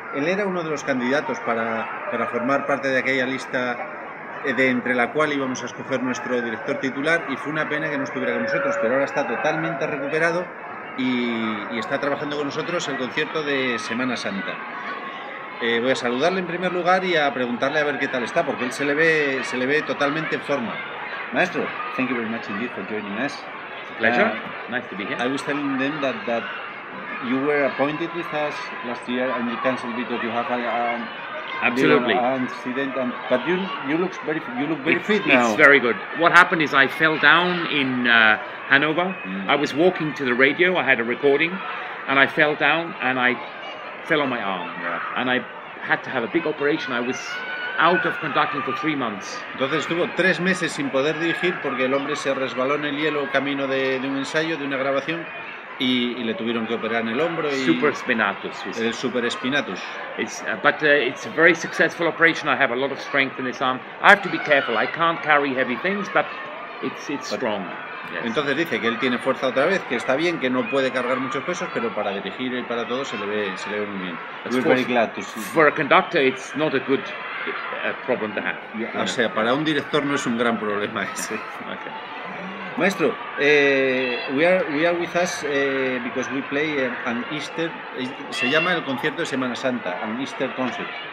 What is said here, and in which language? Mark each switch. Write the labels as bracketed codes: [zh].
[es] Él era uno de los candidatos para formar parte de aquella lista de entre la cual íbamos a escoger nuestro director titular, y fue una pena que no estuviera con nosotros, pero ahora está totalmente recuperado y está trabajando con nosotros el concierto de Semana Santa. Voy a saludarle en primer lugar y a preguntarle a ver qué tal está, porque él se le ve totalmente en forma. Maestro, [en] thank you very much indeed for joining us. It's a pleasure. Nice to be here. I was telling them that you were appointed with us last year and you cancelled because you have you look very fit now. It's very good. What happened is I fell down in Hannover. Mm. I was walking to the radio. I had a recording, and I fell down and I fell on my arm. Yeah. And I had to have a big operation. I was out of conducting for 3 months. [es] Entonces estuvo 3 meses sin poder dirigir porque el hombre se resbaló en el hielo camino de un ensayo, de una grabación. Y le tuvieron que operar en el hombro y [en] super espinatus. It's a very successful operation. I have a lot of strength in this arm. I have to be careful. I can't carry heavy things, but it's strong. Yes. [es] Entonces dice que él tiene fuerza otra vez, que está bien, que no puede cargar muchos pesos, pero para dirigir y para todo se le ve muy bien. [en] We're very glad to see. For a conductor, it's not a good problem to have. [es] Yeah. O sea, para un director no es un gran problema ese. [en] Okay. Maestro, we are with us because we play an Easter. [es] Se llama el concierto de Semana Santa, [en] an Easter concert.